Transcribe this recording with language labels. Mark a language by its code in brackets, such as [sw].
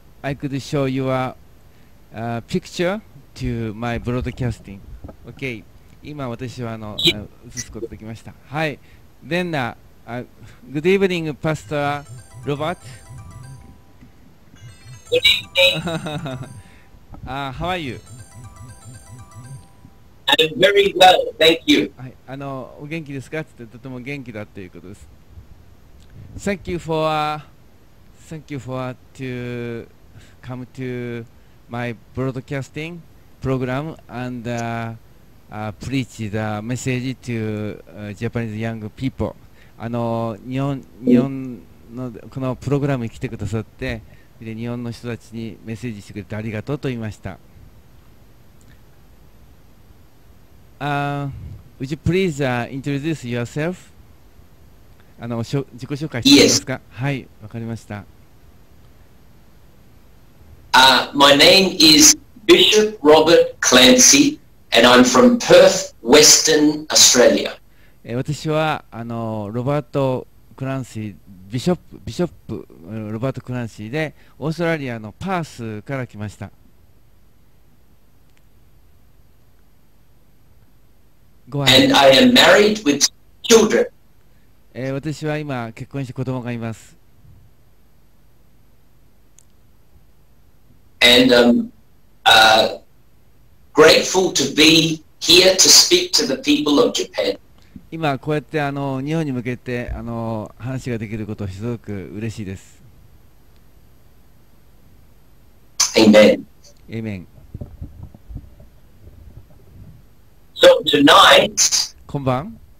[en] I could show you a、picture to my broadcasting. Okay. [ja] 今私はあの映すことができました。はい。 [en] Then, good evening, Pastor Robert. Good evening. How are you? I'm very well, thank you. [ja] はい。あの、お元気ですかって言って、とても元気だということです。 [en] Thank you for,thank you for to come to my broadcasting program and preach the message to Japanese young people. [ja] あの日本のこのプログラムに来てくださって、で日本の人たちにメッセージしてくれてありがとうと言いました。 [en] Would you please introduce yourself? [ja] あの自己紹介してくれますか。 [en] Yes. [ja] はい、わかりました。 [en] My name is Bishop Robert Clancy, and I'm from Perth, Western Australia. [ja] 私はあのロバート・クランシー、ビショップロバート・クランシーで、オーストラリアのパースから来ました。ご挨拶。 [en] And I am married with children. [ja] 私は今結婚して子供がいます。 [en] And grateful to be here to speak to the people of Japan. [ja] 今こうやってあの日本に向けてあの話ができることをすごく嬉しいです。 [en] Amen. Amen. So tonight, [ja] 今晩